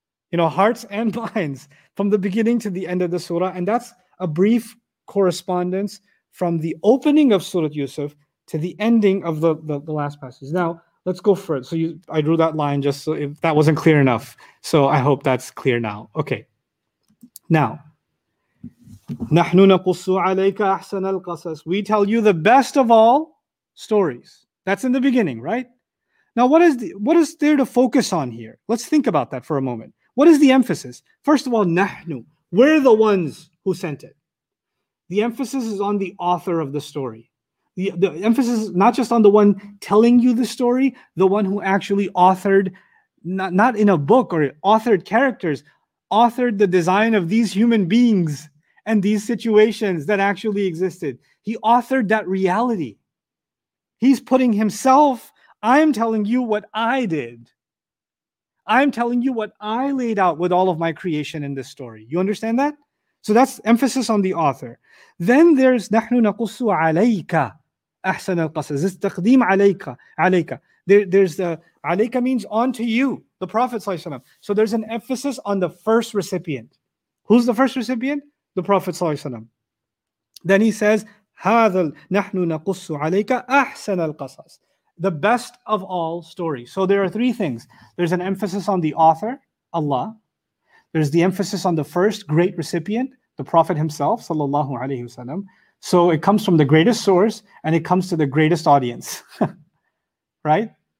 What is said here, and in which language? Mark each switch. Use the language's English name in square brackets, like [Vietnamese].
[English] You know, hearts and minds, from the beginning to the end of the surah. And that's a brief correspondence from the opening of Surah Yusuf to the ending of the last passage. Now, let's go further. So I drew that line just so if that wasn't clear enough. So I hope that's clear now. Okay. [Arabic] Now, نَحْنُ نَقُصُّ عَلَيْكَ أَحْسَنَ الْقَصَصِ. [English] We tell you the best of all stories. That's in the beginning, right? Now, what is there to focus on here? Let's think about that for a moment. What is the emphasis? First of all, نَحْنُ. We're the ones who sent it. The emphasis is on the author of the story. The emphasis is not just on the one telling you the story, the one who actually authored, not in a book or authored characters, authored the design of these human beings and these situations that actually existed. He authored that reality. He's putting himself I'm telling you what I did. I'm telling you what I laid out with all of my creation in this story. You understand that? So that's emphasis on the author. Then there's [Arabic] نَحْنُ نَقُصُّ عَلَيْكَ أَحْسَنَ الْقَصَصِ. [English] It's [Arabic] تَقْدِيم عَلَيْكَ. عَلَيْكَ. [English] There's the عَلَيْكَ means onto you, the Prophet [Arabic] صلى الله عليه وسلم. [English] So there's an emphasis on the first recipient. Who's the first recipient? The Prophet [Arabic] صلى الله عليه وسلم. [English] Then he says [Arabic] هَذَا نَحْنُ نَقُصُّ عَلَيْكَ أَحْسَنَ الْقَصَصِ. [English] The best of all stories. So there are three things. There's an emphasis on the author, Allah. There's the emphasis on the first great recipient, the Prophet himself, sallallahu alaihi wasallam. So it comes from the greatest source and it comes to the greatest audience, right?